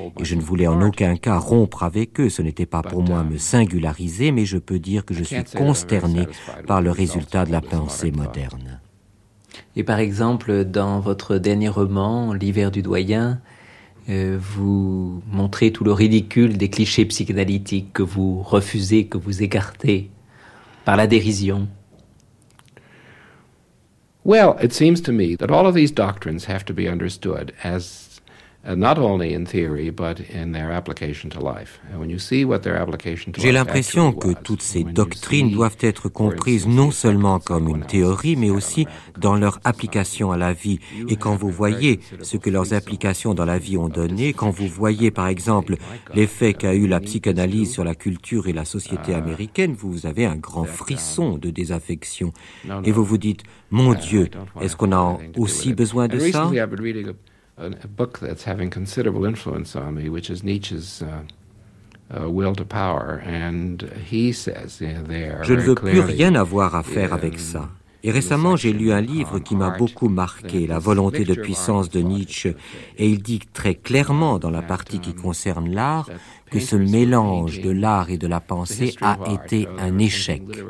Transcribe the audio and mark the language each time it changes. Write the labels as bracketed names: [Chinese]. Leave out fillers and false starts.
[French] Et je ne voulais en aucun cas rompre avec eux. Ce n'était pas pour moi me singulariser, mais je peux dire que je suis consterné par le résultat de la pensée moderne. Et par exemple, dans votre dernier roman, L'hiver du doyen, vous montrez tout le ridicule des clichés psychanalytiques que vous refusez, que vous écartez par la dérision. [English] Well, it seems to me that all of these doctrines have to be understood as not only in theory, but in their application to life. And when you see what their application to life. [French] J'ai l'impression que toutes ces doctrines doivent être comprises non seulement comme une théorie, mais aussi dans leur application à la vie. Et quand vous voyez ce que leurs applications dans la vie ont donné, quand vous voyez, par exemple, l'effet qu'a eu la psychanalyse sur la culture et la société américaine, vous avez un grand frisson de désaffection. Et vous vous dites, mon Dieu, est-ce qu'on a aussi besoin de ça? [English] A book that's having considerable influence on me, which is Nietzsche's Will to Power, and he says there. [French] Je ne veux plus rien avoir à faire avec ça. Et récemment, j'ai lu un livre qui m'a beaucoup marqué, La volonté de puissance de Nietzsche, et il dit très clairement dans la partie qui concerne l'art que ce mélange de l'art et de la pensée a été un échec.